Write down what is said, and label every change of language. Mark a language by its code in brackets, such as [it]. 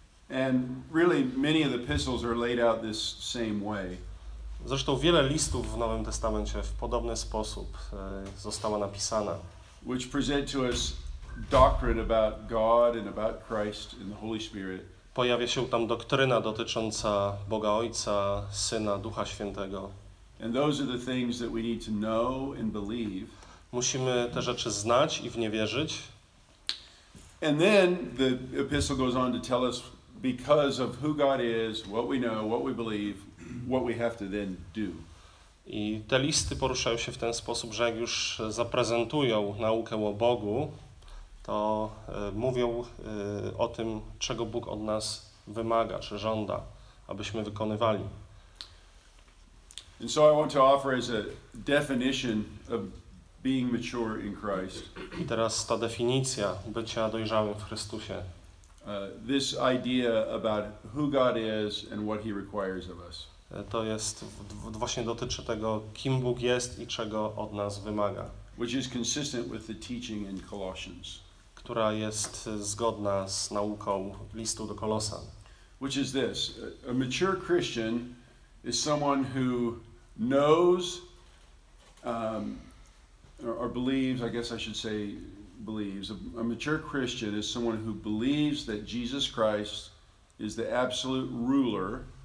[en] And really many of the epistles are laid out this same way. [pl] Zresztą wiele listów w Nowym Testamencie w podobny sposób została napisana. [en] Which present to us doctrine about God and about Christ and the Holy Spirit. [pl] Pojawia się tam doktryna dotycząca Boga Ojca, Syna, Ducha Świętego. [en] And those are the things that we need to know and believe. [pl] Musimy te rzeczy znać i w nie wierzyć. [en] And then the epistle goes on to tell us because of who God is, what we know, what we believe, what we have to then do. [pl] I te listy poruszają się w ten sposób, że jak już zaprezentują naukę o Bogu, to mówią o tym, czego Bóg od nas wymaga, czy żąda, abyśmy wykonywali. [en] And so I want to offer as a definition of being mature in Christ. [pl] I teraz ta definicja bycia dojrzałym w Chrystusie. [en] This idea about who God is and what He requires of us. [pl] To jest właśnie dotyczy tego, kim Bóg jest i czego od nas wymaga. [en] Which is consistent with the teaching in Colossians. [pl] Która jest zgodna z nauką listu do Kolosan. [en] Which is this: a mature Christian is someone who knows or believes, I guess I should say believes. A mature Christian is someone who believes that Jesus Christ is the absolute ruler.